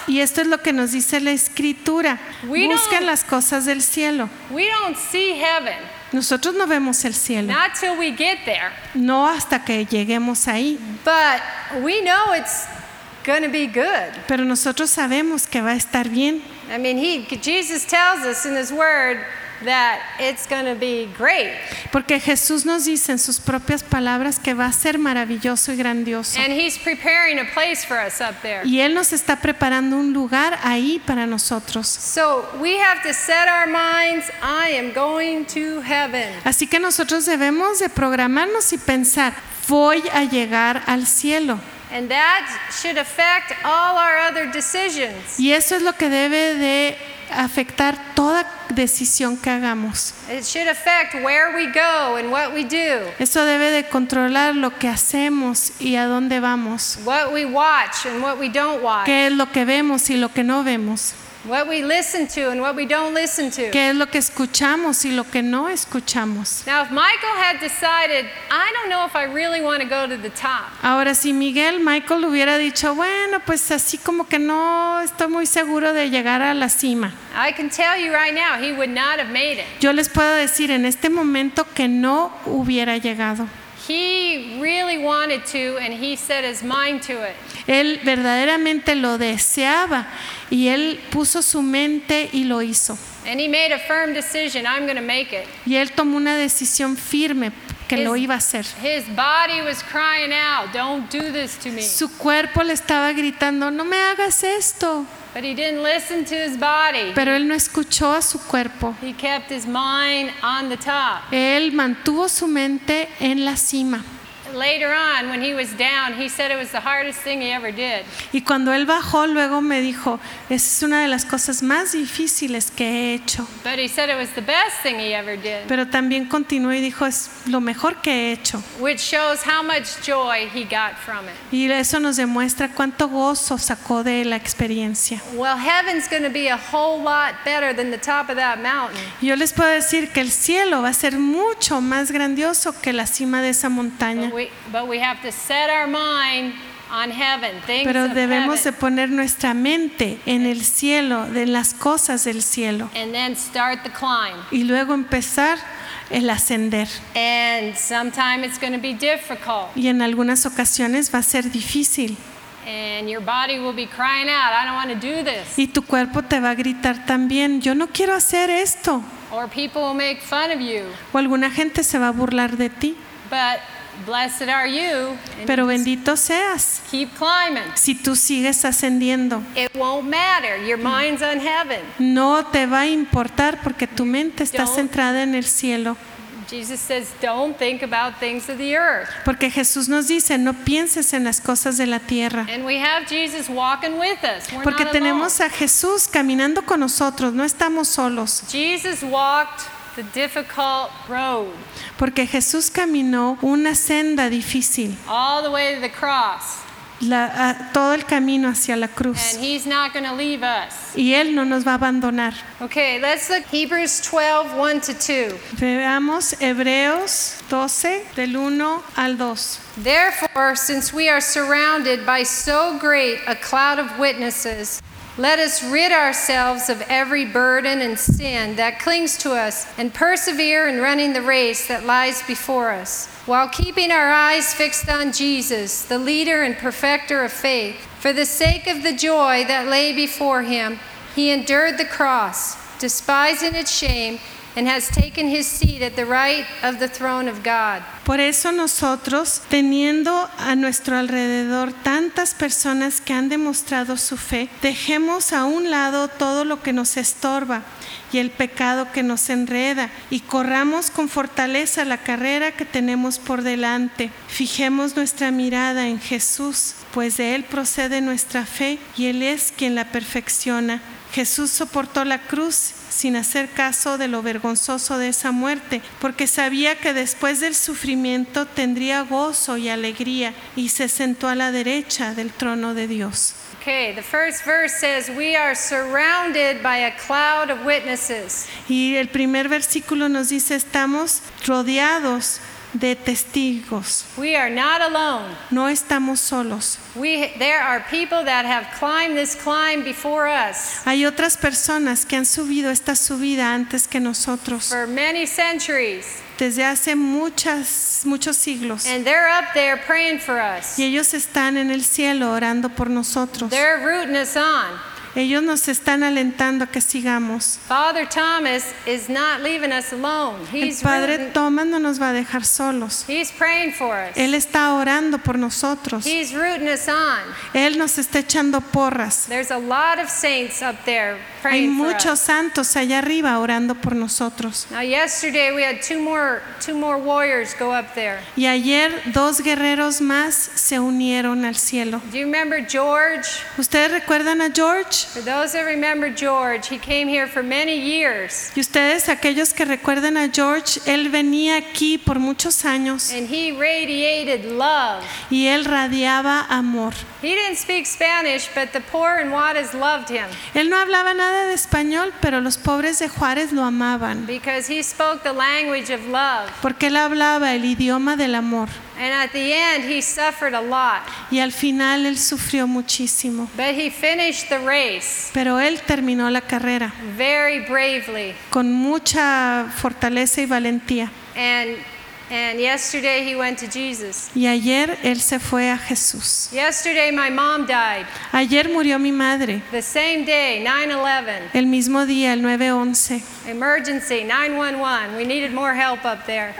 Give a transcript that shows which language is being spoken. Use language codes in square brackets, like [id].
[es] Y esto es lo que nos dice la escritura. Busquen las cosas del cielo. [en] We don't see heaven. [es] Nosotros no vemos el cielo. [en] Not till we get there. [es] No hasta que lleguemos ahí. [en] But we know it's going to be good. [es] Pero nosotros sabemos que va a estar bien. [en] I mean, Jesus tells us in his word that it's going to be great. [es] Porque Jesús nos dice en sus propias palabras que va a ser maravilloso y grandioso. [en] And he's preparing a place for us up there. [es] Y él nos está preparando un lugar ahí para nosotros. [en] So we have to set our minds, I am going to heaven. [es] Así que nosotros debemos de programarnos y pensar, voy a llegar al cielo. [en] And that should affect all our other decisions. [es] Y eso es lo que debe de afectar toda decisión que hagamos. [en] It should affect where we go and what we do. [es] Eso debe de controlar lo que hacemos y a dónde vamos. [en] What we watch and what we don't watch. [es] ¿Qué es lo que vemos y lo que no vemos? [en] What we listen to and what we don't listen to. [es] ¿Qué es lo que escuchamos y lo que no escuchamos? [en] Now, if Michael had decided, I don't know if I really want to go to the top. [es] Ahora, si Michael hubiera dicho, bueno, pues así como que no estoy muy seguro de llegar a la cima. [en] I can tell you right now, he would not have made it. [es] Yo les puedo decir en este momento que no hubiera llegado. [en] He really wanted to, and he set his mind to it. [es] Él verdaderamente lo deseaba y él puso su mente y lo hizo. [en] And he made a firm decision, I'm going to make it. [es] Y él tomó una decisión firme que lo iba a hacer. [en] His body was crying out, don't do this to me. [es] Su cuerpo le estaba gritando, no me hagas esto. [en] But he didn't listen to his body. [es] Pero él no escuchó a su cuerpo. [en] He kept his mind on the top. [es] Él mantuvo su mente en la cima. [en] Later on, when he was down, he said it was the hardest thing he ever did. [es] Y cuando él bajó, luego me dijo, esa es una de las cosas más difíciles que he hecho. [en] But he said it was the best thing he ever did. [es] Pero también continuó y dijo, es lo mejor que he hecho. [en] Which shows how much joy he got from it. [es] Y eso nos demuestra cuánto gozo sacó de la experiencia. [en] Well, heaven's going to be a whole lot better than the top of that mountain. [es] Yo les puedo decir que el cielo va a ser mucho más grandioso que la cima de esa montaña. [en] But we have to set our mind on heaven, things [es] Pero debemos [en] of heaven. [es] De poner nuestra mente en el cielo, en las cosas del cielo. [en] And then start the climb. [es] Y luego empezar el ascender. [en] And sometimes it's going to be difficult. [es] Y en algunas ocasiones va a ser difícil. [en] And your body will be crying out, I don't want to do this. [es] Y tu cuerpo te va a gritar también, yo no quiero hacer esto. [en] Or people will make fun of you. [es] O alguna gente se va a burlar de ti. [en] But blessed are you. [es] Pero bendito seas. [en] Keep climbing. [es] Si tú sigues ascendiendo. [en] It won't matter. Your mind's on heaven. [es] No te va a importar porque tu mente está centrada en el cielo. [en] Jesus says, "Don't think about things of the earth." [es] Porque Jesús nos dice, no pienses en las cosas de la tierra. [en] And we have Jesus walking with us. We're [es] Porque [en] not [es] tenemos [en] alone. [es] A Jesús caminando con nosotros. No estamos solos. [en] Jesus walked the difficult road. [es] Porque Jesús caminó una senda difícil. [en] All the way to the cross. [es] Todo el camino hacia la cruz. [en] And he's not going to leave us. [es] Y él no nos va a abandonar. [en] Okay, let's look Hebrews 12, 1 to 2. [es] Veamos Hebreos 12, del 1 al 2. [en] Therefore, since we are surrounded by so great a cloud of witnesses, let us rid ourselves of every burden and sin that clings to us and persevere in running the race that lies before us, while keeping our eyes fixed on Jesus, the leader and perfecter of faith. For the sake of the joy that lay before him, he endured the cross, despising its shame, and has taken his seat at the right of the throne of God. [es] Por eso nosotros, teniendo a nuestro alrededor tantas personas que han demostrado su fe, dejemos a un lado todo lo que nos estorba y el pecado que nos enreda, y corramos con fortaleza la carrera que tenemos por delante. Fijemos nuestra mirada en Jesús, pues de él procede nuestra fe y él es quien la perfecciona. Jesús soportó la cruz sin hacer caso de lo vergonzoso de esa muerte, porque sabía que después del sufrimiento tendría gozo y alegría, y se sentó a la derecha del trono de Dios. [en] Okay, the first verse says we are surrounded by a cloud of witnesses. [es] Y el primer versículo nos dice estamos rodeados de testigos. [en] We are not alone. [es] No estamos solos. [en] There are people that have climbed this climb before us. [es] Hay otras personas que han subido esta subida antes que nosotros. [en] For many centuries. [es] Desde hace muchos siglos. [en] And they're up there praying for us. [es] Y ellos están en el cielo orando por nosotros. [en] They're rooting us on. [es] Ellos nos están alentando a que sigamos. [en] Father Thomas is not leaving us alone. [es] El Padre Tomás no nos va a dejar solos. [en] He's praying for us. [es] Él está orando por nosotros. [en] He's rooting us on. [es] Él nos está echando porras. [en] There's a lot of saints up there praying for us. [es] Hay muchos santos allá arriba orando por nosotros. [en] Now yesterday we had two more warriors go up there. [es] Y ayer dos guerreros más se unieron al cielo. [en] Do you remember George? [es] ¿Ustedes recuerdan a George? [en] For those that remember George, he came here for many years. [es] Y ustedes, aquellos que recuerden a George, él venía aquí por muchos años. [en] And he radiated love. [es] Y él radiaba amor. [en] He didn't speak Spanish, but the poor in Juarez loved him. [es] Él no hablaba nada de español, pero los pobres de Juárez lo amaban. [en] Because he spoke the language of love. [es] Porque él hablaba el idioma del amor. [en] And at the end, he suffered a lot. [es] Y al final, él sufrió muchísimo. [en] But he finished the race. [es] Pero él terminó la carrera. [en] Very bravely. [es] Con mucha fortaleza y valentía. [en] And yesterday he went to Jesus. [es] Y ayer él se fue a Jesús. [en] Yesterday my mom died. [es] Ayer murió mi madre. [en] The same day, 9/11. [es] El mismo día, el 9/11. [en] Emergency, 911. We needed more help up there.